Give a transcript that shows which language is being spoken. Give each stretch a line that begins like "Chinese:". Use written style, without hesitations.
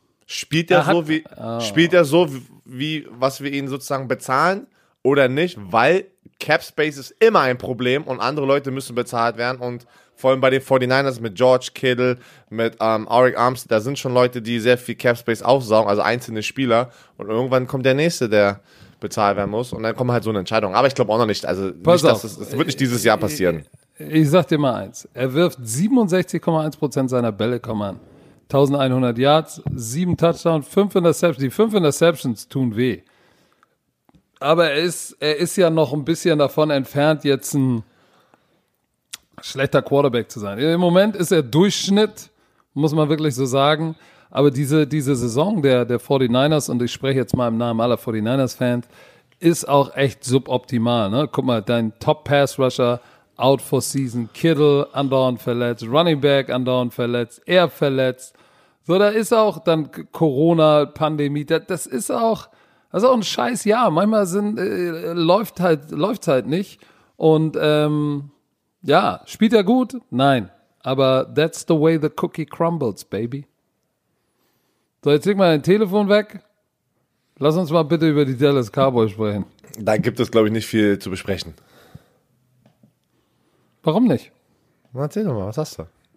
German: spielt er, spielt er so, wie was wir ihn sozusagen bezahlen oder nicht, weil Cap Space ist immer ein Problem und andere Leute müssen bezahlt werden und vor allem bei den 49ers mit George Kittle, mit Arik Armstead, da sind schon Leute, die sehr viel Cap Space aufsaugen, also einzelne Spieler und irgendwann kommt der Nächste, der bezahlt werden muss und dann kommen halt so eine Entscheidung. Aber ich glaube auch noch nicht, also pass nicht, auf, dass es wirklich dieses Jahr passieren. Ich sag dir mal eins, er wirft 67,1% seiner Bälle, komm an. 1100 Yards, 7 Touchdowns, 5 Interceptions. Die 5 Interceptions tun weh. Aber er ist ja noch ein bisschen davon entfernt, jetzt ein schlechter Quarterback zu sein. Im Moment ist er Durchschnitt, muss man wirklich so sagen. Aber diese Saison der 49ers, und ich spreche jetzt mal im Namen aller 49ers-Fans, ist auch echt suboptimal. Ne? Guck mal, dein Top-Pass-Rusher out for season, Kittle andauernd verletzt, Running Back andauernd verletzt, er verletzt. So, da ist auch dann Corona-Pandemie. Das ist auch ein scheiß Jahr. Manchmal läuft's halt nicht. Und ja, spielt er gut? Nein.
English: Aber that's the way the cookie crumbles, baby.
German: So, jetzt leg mal dein Telefon weg. Lass uns mal bitte über die Dallas Cowboys sprechen. Da gibt es, glaube ich, nicht viel zu besprechen. Warum nicht? Erzähl doch mal, was hast du?